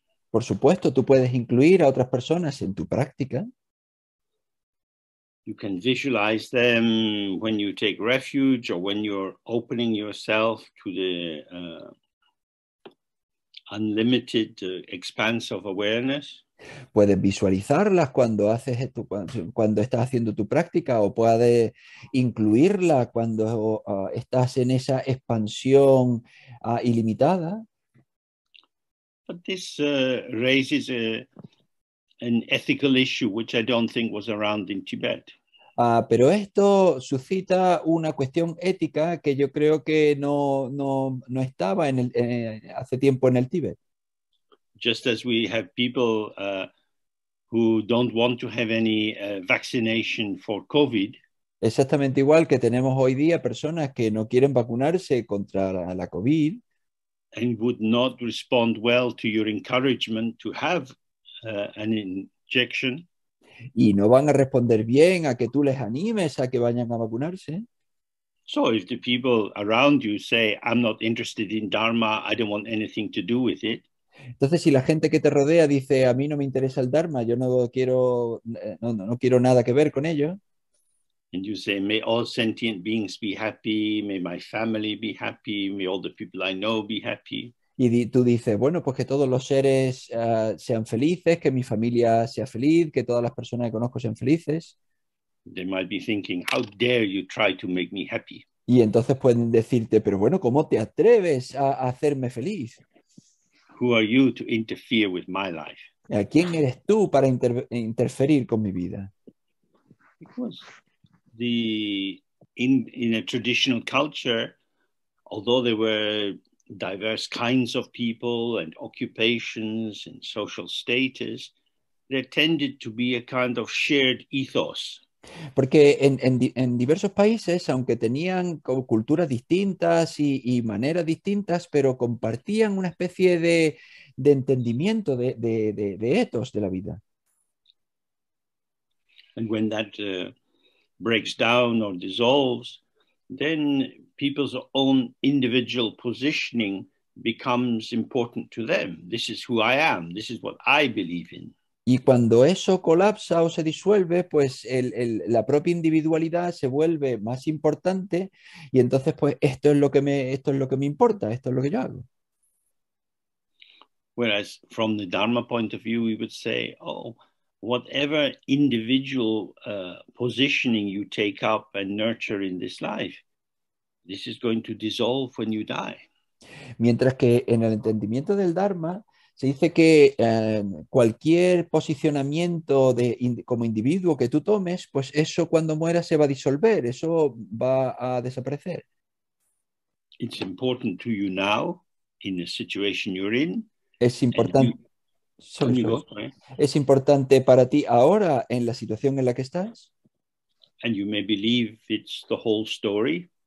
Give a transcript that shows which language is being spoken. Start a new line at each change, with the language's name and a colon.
Spanish: Por supuesto, tú puedes incluir a otras personas en tu práctica.
English: You can visualize them when you take refuge or when you're opening yourself to the unlimited expanse of awareness.
Spanish: Puedes visualizarlas cuando haces esto, cuando estás haciendo tu práctica, o puedes incluirla cuando estás en esa expansión ilimitada.
English: But this raises an ethical issue, which I don't think was around in Tibet.
Spanish: Pero esto suscita una cuestión ética que yo creo que no estaba hace tiempo en el Tíbet.
English: Just as we have people who don't want to have any vaccination for COVID.
Spanish: Exactamente igual que tenemos hoy día personas que no quieren vacunarse contra la COVID.
English: And would not respond well to your encouragement to have an injection.
Spanish: Y no van a responder bien a que tú les animes a que vayan a vacunarse.
English: So if the people around you say, I'm not interested in Dharma, I don't want anything to do with it.
Spanish: Entonces, si la gente que te rodea dice, a mí no me interesa el Dharma, yo no quiero, no quiero nada que ver con ello.
English: And you say, may all sentient beings be happy, may my family be happy, may all the people I know be happy.
Spanish: Y tú dices, bueno, pues que todos los seres sean felices, que mi familia sea feliz, que todas las personas que conozco sean felices.
English: They might be thinking, how dare you try to make me happy?
Spanish: Y entonces pueden decirte, pero bueno, ¿cómo te atreves a hacerme feliz?
English: Who are you to interfere with my life?
Spanish: ¿A quién eres tú para interferir con mi vida?
English: Because the in a traditional culture, although there were diverse kinds of people and occupations and social status, there tended to be a kind of shared ethos.
Spanish: Porque en diversos países, aunque tenían culturas distintas y maneras distintas, pero compartían una especie de entendimiento de ethos de la vida.
English: And when that breaks down or dissolves, then people's own individual positioning becomes important to them. This is who I am. This is what I believe in.
Spanish: Y cuando eso colapsa o se disuelve, pues la propia individualidad se vuelve más importante y entonces pues esto es lo que me importa, esto es lo que yo hago.
English: Whereas from the Dharma point of view, we would say, oh, whatever individual positioning you take up and nurture in this life, this is going to dissolve when you die.
Spanish: Mientras que en el entendimiento del Dharma se dice que cualquier posicionamiento como individuo que tú tomes, pues eso cuando muera se va a disolver, eso va a desaparecer.
English: It's important to you now in the situation you're in,
Spanish: Es
English: and you
Spanish: importante,
English: on you sorry, go, right?
Spanish: es importante para ti ahora en la situación en la que estás.
English: And you may believe it's the whole story.